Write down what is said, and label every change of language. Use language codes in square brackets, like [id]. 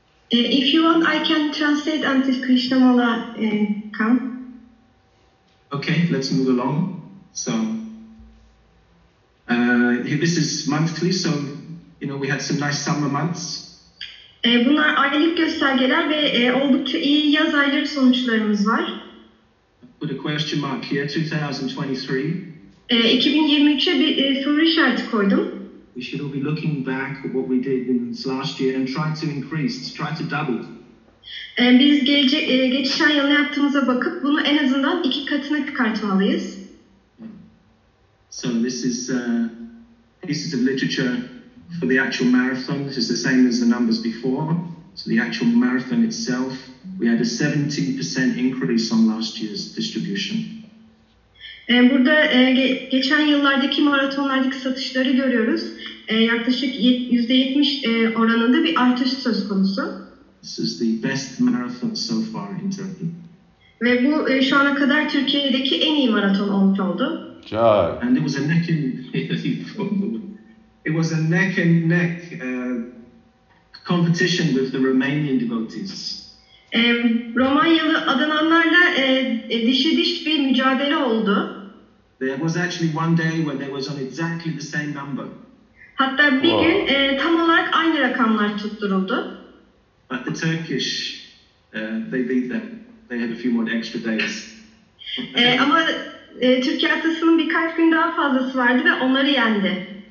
[en] If you want, I can translate until Krishna Mala come. Okay, let's move along. So this is monthly, so you know we had some nice summer months. [tr] Bunlar aylık göstergeler ve oldukça iyi yaz ayları sonuçlarımız var. [en] Put a question mark here, 2023. [tr] 2023'e bir soru işareti koydum. [en] We should all be looking back at what we did in this last year and try to increase, try to double. [tr] Biz geçen yıl ne yaptığımıza bakıp bunu en azından iki katına çıkartmalıyız. [en] So this is pieces of literature for the actual marathon. This is the same as the numbers before. So the actual marathon itself, we had a 17% increase on last year's distribution. [tr] Burada geçen yıllardaki maratonlardaki satışları görüyoruz. Yaklaşık %70 oranında bir artış söz konusu. [en] This is the best marathon so far in Turkey. [tr] Ve bu şu ana kadar Türkiye'deki en iyi maraton olmuş oldu. [en] And it was a neck and competition with the Romanian devotees. [tr] Romanyalı adananlarla dişi diş bir mücadele oldu. [en] There was actually one day when there was on exactly the same number. [tr] Hatta bir gün tam olarak aynı rakamlar tutturuldu. [en] But the Turkish, they beat them. They had a few more extra days. [tr] ama Türkiye atasının birkaç gün daha fazlası vardı ve onları yendi.